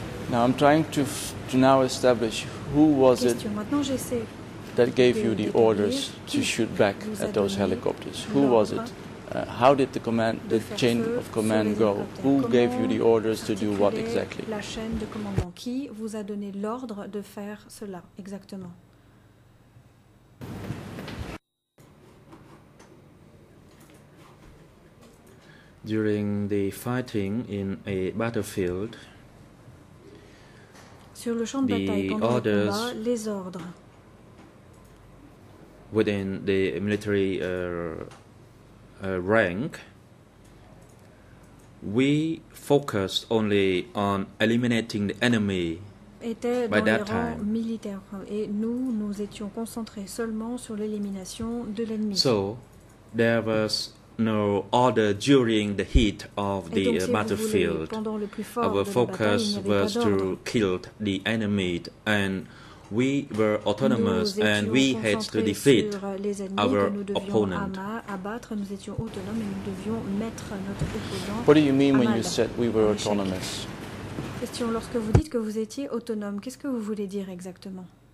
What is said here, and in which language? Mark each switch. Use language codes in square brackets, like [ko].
[en] Now I'm trying to now establish who was it that gave you the orders to shoot back at those helicopters. Who was it? How did the command, the chain of command go? Who gave you the orders to do what exactly? [fr] La chaîne de commandement. Qui vous a donné l'ordre de faire cela exactement? [en] During the fighting in a battlefield, [fr] sur le champ de bataille, pendant le combat, les ordres [en] within the military rank, we focused only on eliminating the enemy. [fr] Était dans les rangs militaires et nous étions concentrés seulement sur l'élimination de l'ennemi. [en] So there was no order during the heat of the battlefield. Our focus was to kill the enemy, and we were autonomous, and we had to defeat our opponent. [fr] Nous étions autonomes et nous devions mettre notre opposant. [en] What do you mean when you said we were autonomous? [fr] Question, lorsque vous dites que vous étiez autonome, qu'est-ce que vous voulez dire exactement?